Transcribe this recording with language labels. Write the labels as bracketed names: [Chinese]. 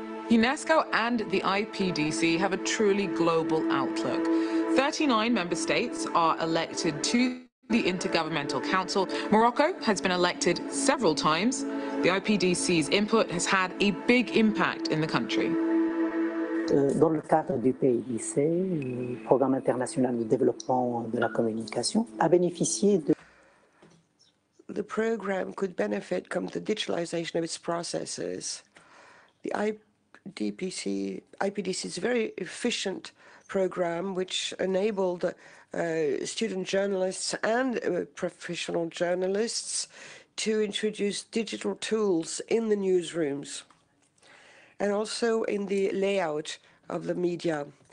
[English] UNESCO and the IPDC have a truly global outlook. 39 member states are elected to the Intergovernmental Council. Morocco has been elected several times. The IPDC's input has had a big impact in the country. [French] Dans le cadre du PIDC, le Programme international de développement de la communication, a bénéficié de... [English] The program could benefit from the digitalization of its processes. The IPDC is a very efficient program which enabled student journalists and professional journalists to introduce digital tools in the newsrooms and also in the layout of the media.